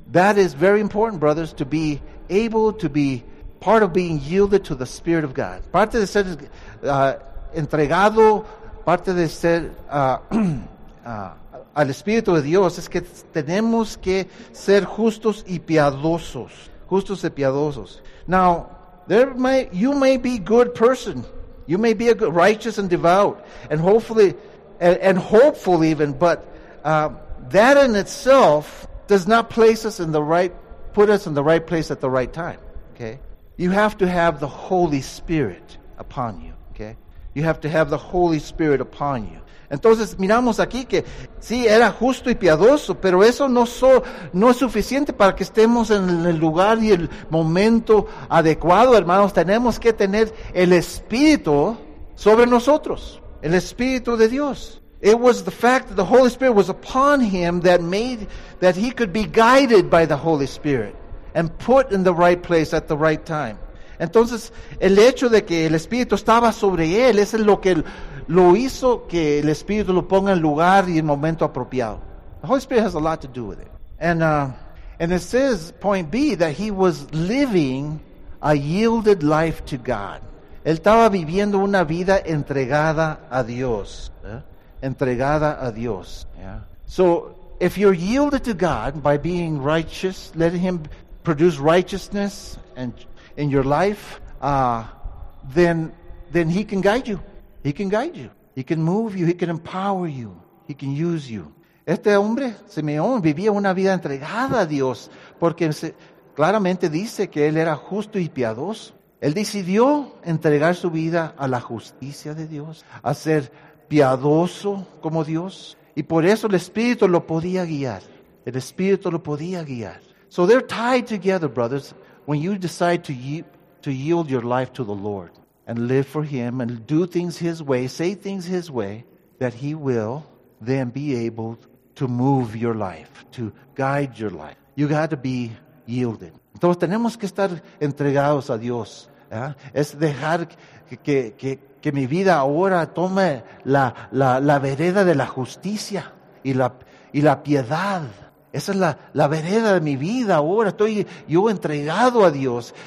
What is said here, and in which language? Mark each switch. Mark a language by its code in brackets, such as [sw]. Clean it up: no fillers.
[en] That is very important, brothers, to be able to be part of being yielded to the Spirit of God. [es] Parte de ser entregado, parte de ser al Espíritu de Dios, es que tenemos que ser justos y piadosos. Justos y piadosos. [en] Now, you may be a good person. You may be a good, righteous and devout, and hopefully even, but that in itself does not put us in the right place at the right time, okay? You have to have the Holy Spirit upon you, okay? You have to have the Holy Spirit upon you. [es] Entonces, miramos aquí que sí, era justo y piadoso, pero eso no es suficiente para que estemos en el lugar y el momento adecuado, hermanos. Tenemos que tener el Espíritu sobre nosotros, el Espíritu de Dios. [en] It was the fact that the Holy Spirit was upon him that made that he could be guided by the Holy Spirit and put in the right place at the right time. [es] Entonces, el hecho de que el Espíritu estaba sobre él, es lo que lo hizo que el Espíritu lo ponga en lugar y en momento apropiado. [en] The Holy Spirit has a lot to do with it. And it says, point B, that he was living a yielded life to God. [es] Él estaba viviendo una vida entregada a Dios. Entregada a Dios. [en] So, if you're yielded to God by being righteous, letting him produce righteousness and in your life, then he can guide you. He can guide you. He can move you. He can empower you. He can use you. [es] Este hombre, Simeón, vivía una vida entregada a Dios, porque claramente dice que él era justo y piadoso. Él decidió entregar su vida a la justicia de Dios, a ser piadoso como Dios, y por eso el Espíritu lo podía guiar. El Espíritu lo podía guiar. [en] So they're tied together, brothers, when you decide to yield your life to the Lord and live for him and do things his way, say things his way, that he will then be able to move your life, to guide your life. You got to be yielded. [es] Entonces tenemos que estar entregados a Dios. Es dejar que mi vida ahora tome la vereda de la justicia y la piedad. Esa es la vereda de mi vida ahora. Estoy yo entregado a Dios.